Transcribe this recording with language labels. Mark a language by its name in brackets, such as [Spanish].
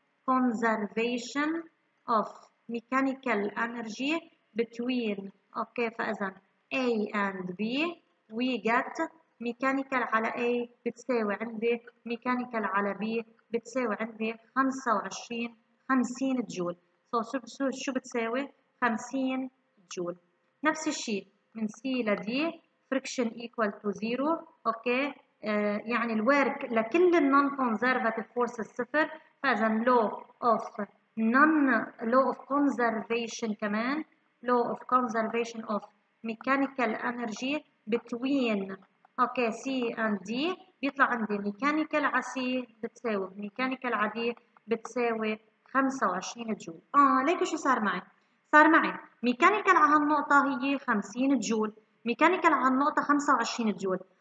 [English] conservation of mechanical energy between okay فإذا A and B we get mechanical على A [Arabic] بتساوي عندي [English] mechanical على B بتساوي عندي 25 جول. [Arabic] so شو بتساوي 50 جول. نفس الشيء من [English] C ل D friction equal to zero okay. [Arabic] يعني الورك لكل النون كونزرفاتيف فورس صفر، فاذا law of non [English] law of conservation كمان law of conservation of mechanical energy between okay C and D [Arabic] بيطلع عندي mechanical على C بتساوي mechanical على D بتساوي 25 جول. ليك شو صار معي؟ صار معي mechanical على هالنقطة هي 50 جول، ميكانيكال على النقطة 25 جول.